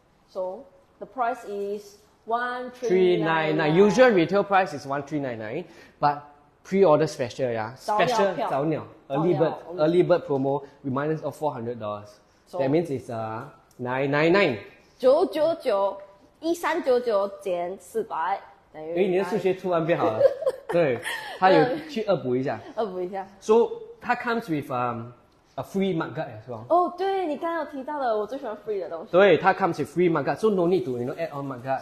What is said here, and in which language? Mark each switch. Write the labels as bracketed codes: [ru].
[en] so the price is 1399 usual retail price is 1399 but pre-order special yeah special [zh] 早鸟 [en] early bird promo with minus of $400 so, that means it's 999 [zh] 999 1399减400 等于因为你的数学突然变好了 对他有去恶补一下恶补一下 [en] so 它 comes with a free mud guard as well [zh] 哦对你刚刚有提到的我最喜欢 free 的东西 [en] 对它 comes with free mud guard so no need to you know add on mud guard